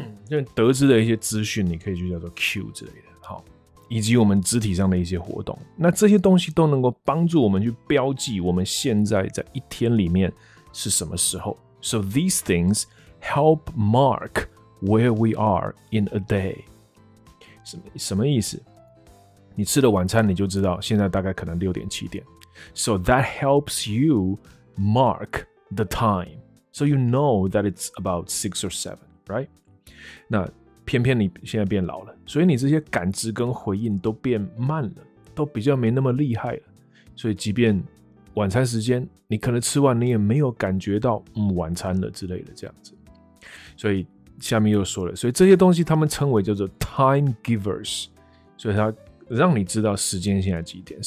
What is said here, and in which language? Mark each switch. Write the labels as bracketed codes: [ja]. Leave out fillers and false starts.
[zh] 就得知的一些资讯，你可以就叫做 cue 之类的。好，以及我们肢体上的一些活动，那这些东西都能够帮助我们去标记我们现在在一天里面是什么时候。 [en] So these things help mark where we are in a day. [zh] 什么意思？你吃了晚餐，你就知道现在大概可能六点七点。 [en] So that helps you mark the time. So you know that it's about 6 or 7, right? [zh] 那偏偏你现在变老了，所以你这些感知跟回应都变慢了，都比较没那么厉害了。所以即便晚餐时间，你可能吃完，你也没有感觉到晚餐了之类的这样子。所以下面又说了，所以这些东西他们称为叫做 time givers， 所以他让你知道时间现在几点。